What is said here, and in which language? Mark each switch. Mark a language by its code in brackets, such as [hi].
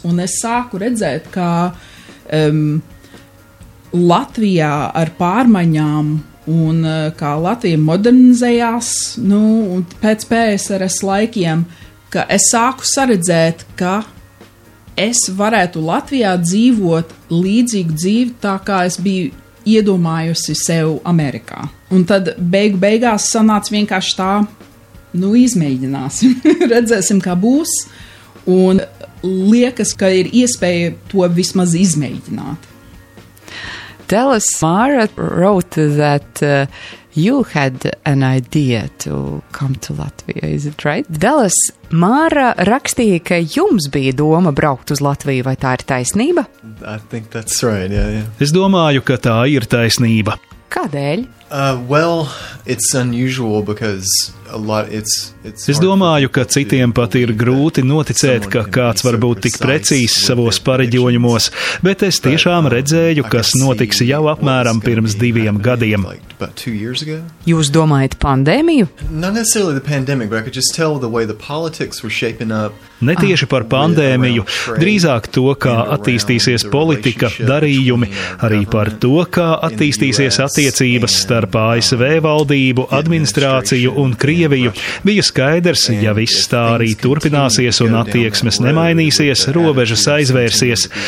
[lv] Un es sāku redzēt, ka Latvijā ar pārmaiņām un kā Latvija modernizējās, nu, un pēc PSRS laikiem, ka es sāku saredzēt, ka es varētu Latvijā dzīvot līdzīgu dzīvi tā, kā es biju iedomājusi sev Amerikā. Un tad beigās sanāca vienkārši tā, nu, izmēģināsim, redzēsim, kā būs, un liekas, ka ir iespēja to vismaz izmēģināt. [en] Tell us, Mara wrote that you had an idea to come to Latvia, is it right? Tell us, [lv] Mara rakstīja, ka jums bija doma braukt uz Latviju, vai tā ir taisnība? [en] I think that's right, yeah, yeah. [lv] Es domāju, ka tā ir taisnība. Kādēļ? [en] Well, it's unusual because a lot it's [lv] Es domāju, ka citiem pat ir grūti noticēt, ka kāds var būt tik precīzs savos pareģojumos, bet es tiešām redzēju, kas notiks jau apmēram pirms 2 gadiem. Jūs domājat pandēmiju? [en] Not necessarily the pandemic, but I could just tell the way the politics were shaping up. [lv] Ne tieši par pandēmiju, drīzāk to, kā attīstīsies politika, darījumi, arī par to, kā attīstīsies attiecības starp ASV valdību, administrāciju un Krieviju, bija skaidrs, ja viss tā arī turpināsies un attieksmes nemainīsies, robežas aizvērsies.